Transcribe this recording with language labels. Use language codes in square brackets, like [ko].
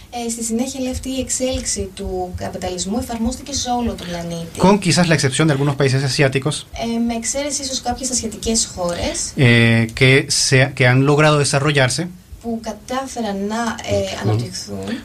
[el] Στη συνέχεια, λέει, αυτή η εξέλιξη του καπιταλισμού εφαρμόστηκε σε όλο τον πλανήτη. [es] Con quizás la excepción de algunos países asiáticos. [el] Με εξαίρεση ίσως κάποιες ασιατικές χώρες. [es] Que han logrado desarrollarse. [el] Που κατάφεραν να αναπτυχθούν.